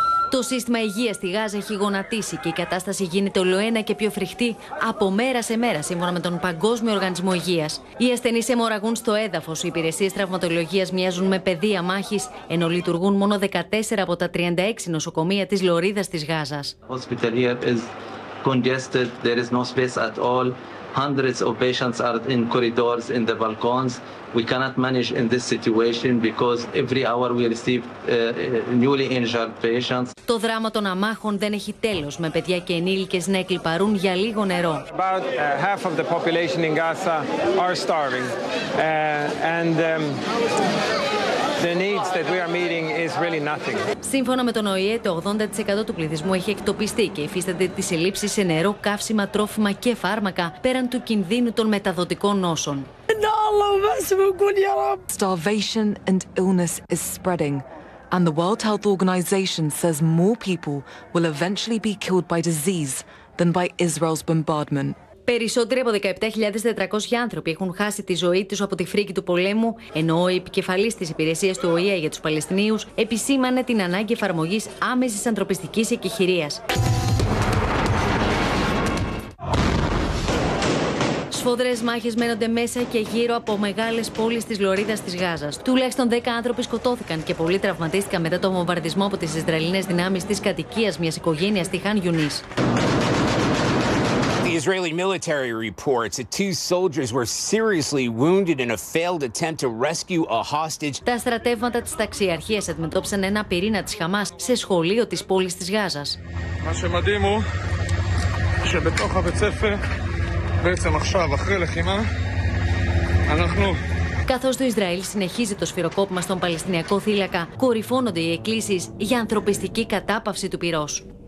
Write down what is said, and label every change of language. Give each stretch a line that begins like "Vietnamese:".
Greek: Το σύστημα υγείας στη Γάζα έχει γονατίσει και η κατάσταση γίνεται ολοένα και πιο φρικτή από μέρα σε μέρα, σύμφωνα με τον Παγκόσμιο Οργανισμό Υγείας. Οι ασθενείς αιμορραγούν στο έδαφος. Οι υπηρεσίες τραυματολογίας μοιάζουν με πεδία μάχης, ενώ λειτουργούν μόνο 14 από τα 36 νοσοκομεία της Λωρίδας της Γάζας.
English: Hundreds of patients are in corridors, in the balcons. We cannot manage in this situation because every hour we receive newly injured patients.
Greek: Το δράμα των αμάχων δεν έχει τέλος, με παιδιά και ενήλικες να εκλιπαρούν για λίγο νερό.
English: About half of the population in Gaza are starving. The needs that we are meeting is really nothing.
Greek: Σύμφωνα με τον ΟΗΕ, το 80% του πληθυσμού έχει εκτοπιστεί και υφίστανται τις ελλείψεις σε νερό, καύσιμα, τρόφιμα και φάρμακα, πέραν του κινδύνου των μεταδοτικών νόσων.
English: Starvation and illness is spreading, and the World Health Organization says more people will eventually be killed by disease than by Israel's bombardment.
Greek: Περισσότεροι από 17.400 άνθρωποι έχουν χάσει τη ζωή τους από τη φρίκη του πολέμου, ενώ ο επικεφαλής της υπηρεσίας του ΟΗΕ για τους Παλαιστινίους επισήμανε την ανάγκη εφαρμογής άμεσης ανθρωπιστικής εκεχηρίας. Σφοδρές μάχες μένονται μέσα και γύρω από μεγάλες πόλεις της Λωρίδας της Γάζας. Τουλάχιστον 10 άνθρωποι σκοτώθηκαν και πολλοί τραυματίστηκαν μετά το βομβαρδισμό από τις Ισραηλινές δυνάμεις της κατοικίας μιας οικογένειας στη Χάν Γιουνίς.
English: Israeli military reports that two soldiers were seriously wounded in a failed attempt to rescue a hostage.
Greek: Τα στρατεύματα της ταξιαρχίας αντιμετώπισαν ένα πυρήνα της Χαμάς σε σχολείο της πόλης της Γάζας. Μα σε μαντίμο, σε μετόχα βετσέφε, βέτσε μαχσάβα, χρέλε χυμά, αναχνού. Καθώς το Ισραήλ συνεχίζει το σφυροκόπημα στον Παλαιστινιακό θύλακα, κορυφώνονται οι εκκλήσεις για ανθρωπιστική κατάπαυση του πυρός.